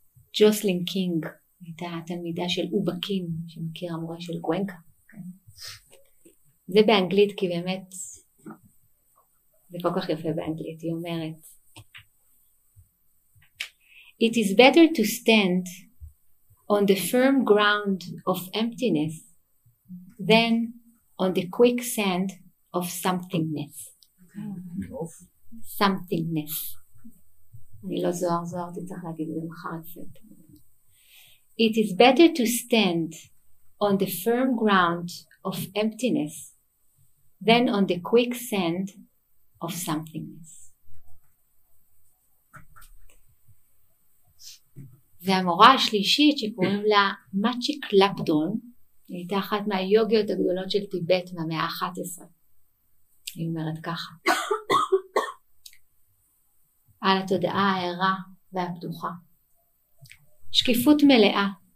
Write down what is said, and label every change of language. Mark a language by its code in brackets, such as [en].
[he] וג'וסלין קינג הייתה התלמידה של אובקין, שמכיר המורה של גוונקה. זה באנגלית כי באמת זה כל כך יפה באנגלית, היא אומרת. [en] It is better to stand on the firm ground of emptiness then on the quicksand of somethingness. Somethingness. [he] אני לא זוהר, אתה צריך להגיד זה מחר אפשר. [en] It is better to stand on the firm ground of emptiness than on the quicksand of somethingness. [he] והמורה השלישית שקוראים לה מאצ'י קלאפדון, היא הייתה אחת מהיוגיות הגדולות של טיבט מהמאה ה-11. היא אומרת ככה. על התודעה הערה והפתוחה. שקיפות מלאה.